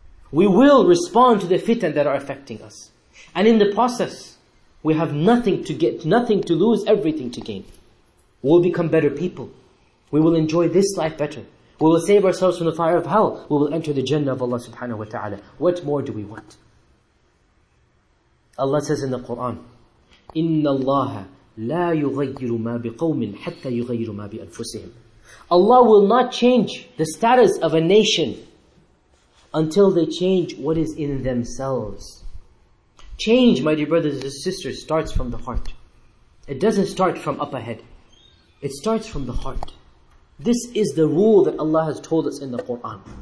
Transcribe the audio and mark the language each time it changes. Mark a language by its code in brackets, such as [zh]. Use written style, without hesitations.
[en] We will respond to the fitan that are affecting us. And in the process, we have nothing to get, nothing to lose, everything to gain. We'll become better people. We will enjoy this life better. We will save ourselves from the fire of hell. We will enter the Jannah of Allah subhanahu wa ta'ala. What more do we want? Allah says in the Quran, [ar] إِنَّ اللَّهَ لَا يُغَيِّرُ مَا بِقَوْمٍ حَتَّى يُغَيِّرُ مَا بِأَنفُسِهِمْ. [en] Allah will not change the status of a nation until they change what is in themselves. Change, my dear brothers and sisters, starts from the heart. It doesn't start from up ahead. It starts from the heart. This is the rule that Allah has told us in the Quran.